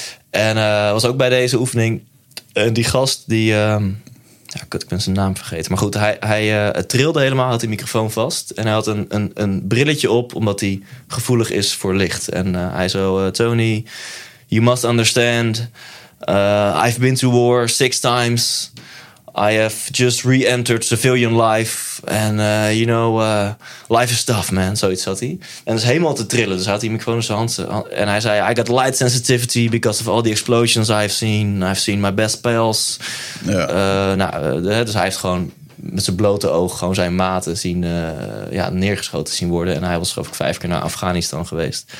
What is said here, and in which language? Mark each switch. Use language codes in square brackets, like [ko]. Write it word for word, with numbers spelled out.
[nl] En uh, was ook bij deze oefening. Uh, die gast die... Uh, ja, kut, ik ben zijn naam vergeten. Maar goed, hij, hij uh, trilde helemaal, had die microfoon vast. En hij had een, een, een brilletje op, omdat hij gevoelig is voor licht. En uh, hij zo, uh, Tony, [en] you must understand. Uh, I've been to war six times. I have just re-entered civilian life. And uh, you know, uh, life is tough, man. [nl] Zoiets had hij. En dat is helemaal te trillen. Dus hij had die microfoon in zijn hand. En hij zei, [en] I got light sensitivity because of all the explosions I've seen. I've seen my best pals. [nl] Ja. Uh, nou, dus hij heeft gewoon met zijn blote oog gewoon zijn maten zien, uh, ja, neergeschoten zien worden. En hij was geloof ik vijf keer naar Afghanistan geweest.